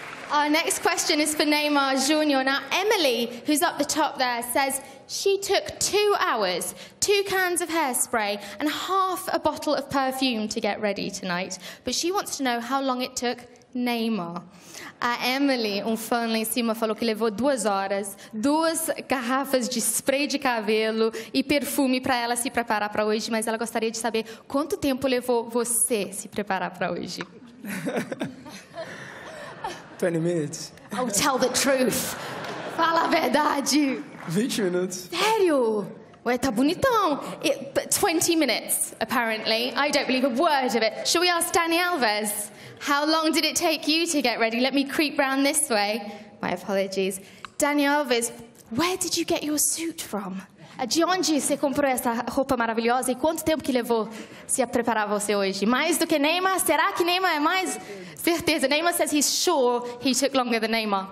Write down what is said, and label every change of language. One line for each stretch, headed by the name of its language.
English: Our next question is for Neymar Junior. Now, Emily, who's up the top there, says she took 2 hours, 2 cans of hairspray, and 1/2 a bottle of perfume to get ready tonight. But she wants to know how long it took Neymar.
Portuguese: Emily, um fã lá em cima, falou que levou 2 horas, 2 garrafas de spray de cabelo e perfume para ela se preparar para hoje, mas ela gostaria de saber quanto tempo levou você se preparar para hoje.
English: 20 minutes. Oh, tell the truth.
Portuguese: Fala a verdade.
English: 20 minutes.
Portuguese: Sério? Ué, tá bonitão.
English: 20 minutes, apparently. I don't believe a word of it. Shall we ask Dani Alves? How long did it take you to get ready? Let me creep round this way. My apologies. Dani Alves, where did you get your suit from?
Portuguese: De onde você comprou essa roupa maravilhosa e quanto tempo que levou se a preparar você hoje? Mais do que Neymar? Será que Neymar é mais certeza?
English: Neymar says he's sure he took longer than Neymar.